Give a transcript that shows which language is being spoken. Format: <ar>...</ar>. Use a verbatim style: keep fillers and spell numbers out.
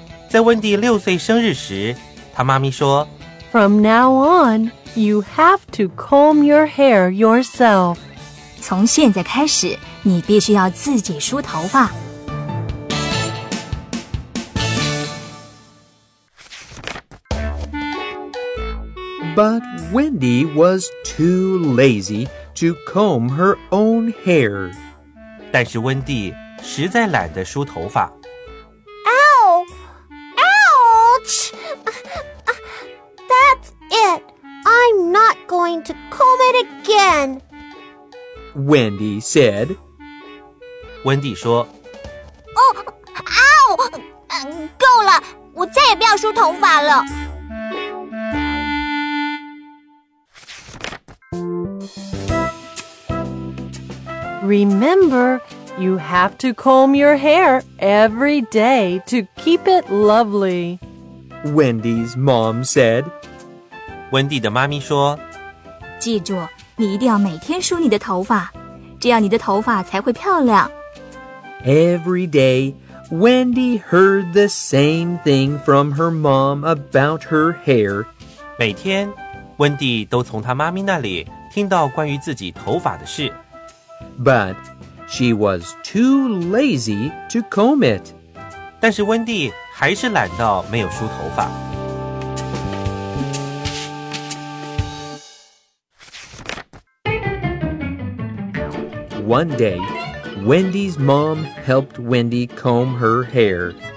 <zh>在温蒂六岁生日时，她妈咪说</zh> <en>From now on, you have to comb your hair yourself.</en> <zh>从现在开始，你必须要自己梳头发。</zh> <en>But Wendy was too lazy to comb her own hair.</en> <zh>但是温蒂实在懒得梳头发。</zh> <en>Ow! Ouch! I'm not going to comb it again, Wendy said.</en> <zh>温蒂说，哦，啊，够了，我再也不要梳头发了。</zh> <en>Remember, you have to comb your hair every day to keep it lovely, Wendy's mom said.</en> <zh>温蒂的妈咪说，记住，你一定要每天梳你的头发，这样你的头发才会漂亮。</zh> <en>Every day, Wendy heard the same thing from her mom about her hair.</en> <zh>每天，温蒂都从她妈咪那里听到关于自己头发的事。</zh> <en>But she was too lazy to comb it.</en> <zh>但是温蒂还是懒到没有梳头发。</zh> <en>One day, Wendy's mom helped Wendy comb her hair.</en>